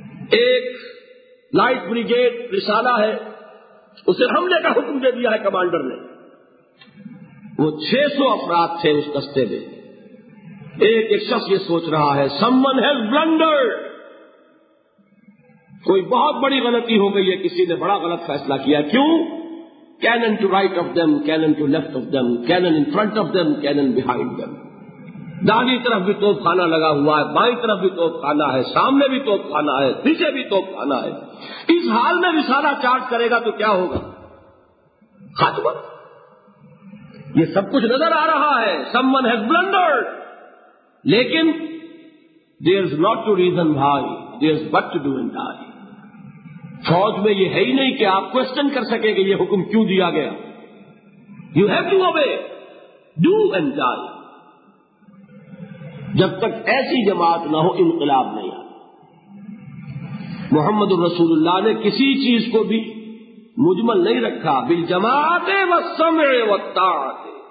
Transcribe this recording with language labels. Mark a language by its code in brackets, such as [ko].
[ur] ایک light brigade رسالہ ہے، اسے حملے کا حکم دے دیا ہے کمانڈر نے. وہ 600 افراد تھے اس دستے میں. ایک ایک شخص یہ سوچ رہا ہے [en] someone has blundered، [ur] کوئی بہت بڑی غلطی ہو گئی ہے، کسی نے بڑا غلط فیصلہ کیا. [en] کیوں؟ cannon to right of them, cannon to left of them, cannon in front of them, cannon behind them. [ur] دانی طرف بھی توپ خانہ لگا ہوا ہے، بائیں طرف بھی توپ خانہ ہے، سامنے بھی توپ خانہ ہے، پیچھے بھی توپ خانہ ہے. اس حال میں رسالہ چارج کرے گا تو کیا ہوگا؟ خاتمہ. یہ سب کچھ نظر آ رہا ہے، [en] someone has blundered، لیکن there is not to reason why, there is but to do and die. [ur] فوج میں یہ ہے ہی نہیں کہ آپ کوشچن کر سکیں کہ یہ حکم کیوں دیا گیا. [en] You have to obey, do and die. [ur] جب تک ایسی جماعت نہ ہو انقلاب نہیں آتا. محمد الرسول اللہ نے کسی چیز کو بھی مجمل نہیں رکھا، [ar] بالجماعت والسمع والطاعت.